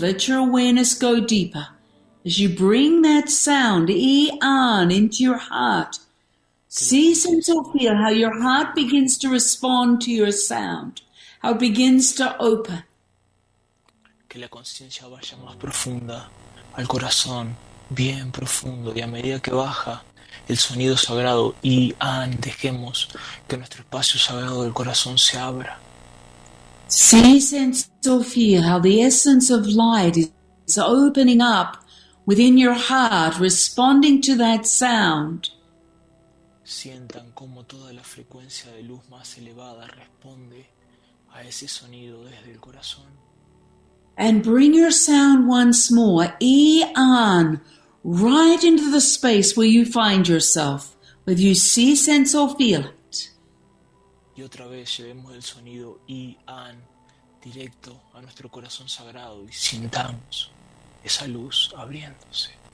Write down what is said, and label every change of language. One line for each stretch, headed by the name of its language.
English: Let your awareness go deeper as you bring that sound, E-An, into your heart. See, sense, or feel how your heart begins to respond to your sound, how it begins to open.
Spanish: Que la conciencia vaya más profunda al corazón, bien profundo, y a medida que baja el sonido sagrado, E-An, dejemos que nuestro espacio sagrado del corazón se abra.
English: See, sense, or feel how the essence of light is opening up within your heart, responding to that sound.
Spanish: Sientan cómo toda la frecuencia de luz más elevada responde a ese sonido desde el corazón.
English: And bring your sound once more, E-An, right into the space where you find yourself, whether you see, sense, or feel it.
Spanish: Y otra vez llevemos el sonido E-An directo a nuestro corazón sagrado y sintamos esa luz abriéndose.